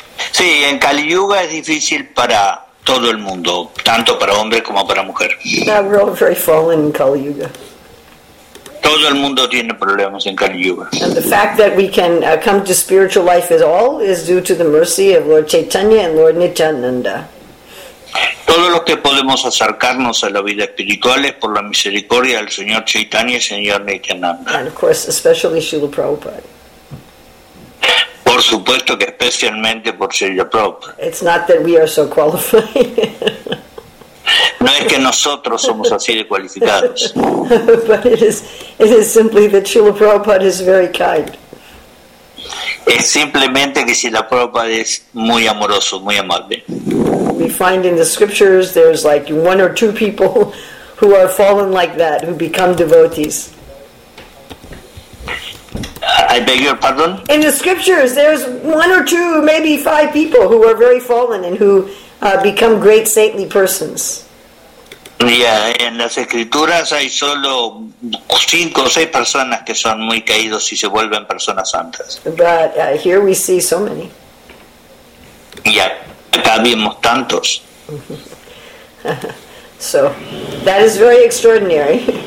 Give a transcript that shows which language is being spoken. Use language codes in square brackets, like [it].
[es] Sí, en Kali Yuga es difícil para todo el mundo, tanto para hombre como para mujer. [en] Now we're all very fallen in Kali Yuga. [es] Todo el mundo tiene problemas en Kali Yuga. [en] And the fact that we can come to spiritual life at all is due to the mercy of Lord Chaitanya and Lord Nityananda. [es] Todos los que podemos acercarnos a la vida espiritual es por la misericordia del Señor Chaitanya y Señor Nityananda. [en] And of course, especially Srila Prabhupada. [es] Por supuesto que especialmente por Srila Prabhupada. [en] It's not that we are so qualified. [es] No es que nosotros somos así de cualificados. [en] But it is simply that Srila Prabhupada is very kind. [es] Es simplemente que Srila Prabhupada es muy amoroso, muy amable. [en] We find in the scriptures there's like 1 or 2 people who are fallen like that, who become devotees. I beg your pardon? In the scriptures, there's one or two, maybe five people who are very fallen and who become great saintly persons. [es] Yeah, en las escrituras hay solo cinco o seis personas que son muy caídos y se vuelven personas santas. [en] But here we see so many. [es] Yeah, acá vemos tantos. [en] So, that is very extraordinary.